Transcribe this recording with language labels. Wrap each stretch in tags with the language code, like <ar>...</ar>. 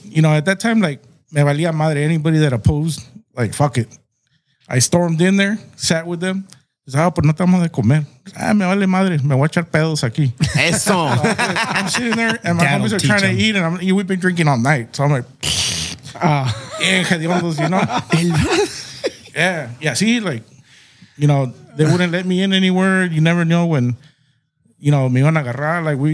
<en>You know, at that time, like,</en> <es>me valía madre,</es> <en>anybody that opposed, like, fuck it. I stormed in there, sat with them.</en> <es>Ah, pero no estamos de comer. Ah, me vale madre, me voy a echar pedos aquí. Eso.</es> <en>So I'm sitting there and my homies are trying to eat and we've been drinking all night. So I'm like, you know? Yeah, see, like, you know, they wouldn't let me in anywhere. You never know when, you know,</en> <es>me van a agarrar.</es> <en>Like we.</en>